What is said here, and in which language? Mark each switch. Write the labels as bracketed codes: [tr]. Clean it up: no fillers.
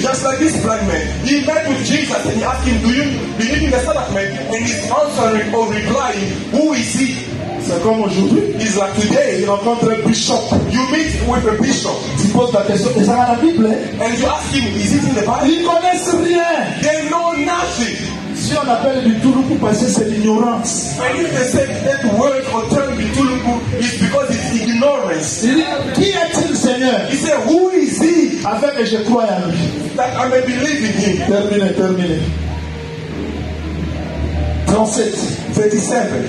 [en] Just like this blind man. He met with Jesus and he asked him, do you believe in the Son of Man? And he's answering or replying, who is he? [fr] C'est comme aujourd'hui. [en] Is like today. [fr] Il rencontre un bishop. [en] You meet with a bishop. [fr] Tu poses la question. Est-ce dans la Bible? [en] And you ask him, is it in the Bible? [fr] Ils connaissent rien. [en] They know nothing. [fr] Si on appelle bitulupu parce que c'est l'ignorance. [en] And if they say that word or term bitulupu, it's because it's ignorance. [fr] Il dit, qui est-il, Seigneur? [en] He said, who is he? [fr] Afin que je croie en lui. [en] That I may believe in him. [fr] Terminé. 37. 37.